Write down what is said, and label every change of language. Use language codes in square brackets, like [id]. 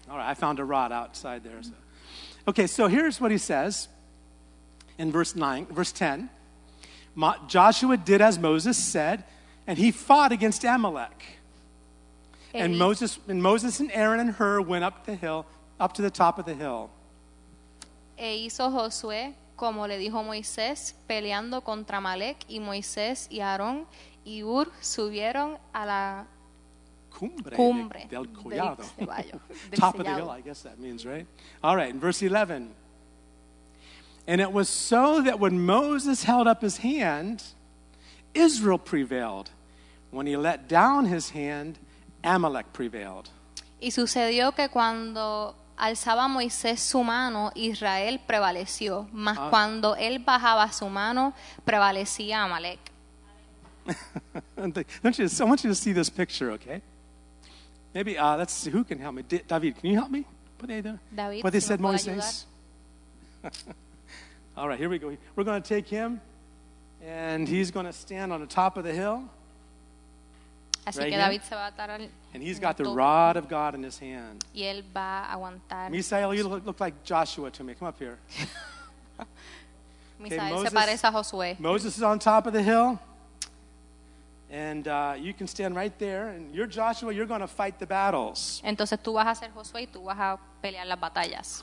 [en] All right, I found a rod outside there. So. Okay, so here's what he says in verse 10. Joshua did as Moses said, and he fought against Amalek. And Moses and Aaron and Hur went up the hill, up to the top of the hill. [es] E hizo Josué como le dijo Moisés, peleando contra Amalek, y Moisés y Aarón y Ur subieron a la cumbre del collado. [en] Top of the hill, I guess that means, right? All right, in verse 11. And it was so that when Moses held up his hand, Israel prevailed. When he let down his hand, Amalek prevailed. [es] Y sucedió que cuando alzaba Moisés su mano, Israel prevaleció. Mas cuando él bajaba su mano, prevalecía Amalek. [en] I want you to see this picture, okay? Maybe, let's see, who can help me? David, can you help me? Put it there. David, what they [es] si [en] said, me [es] Moisés. [en] All right, here we go. We're going to take him, and he's going to stand on the top of the hill. [es] Así right que David se va a atar [en] and he's got the rod of God in his hand. [es] Y él va a aguantar. [en] Misael, you look like Joshua to me. Come up here. [es] Okay, Misael, Moses, se parece a Josué. [en] Moses is on top of the hill. And you can stand right there, and you're Joshua, you're going to fight the battles. [es] Entonces tú vas a ser Josué y tú vas a pelear las batallas.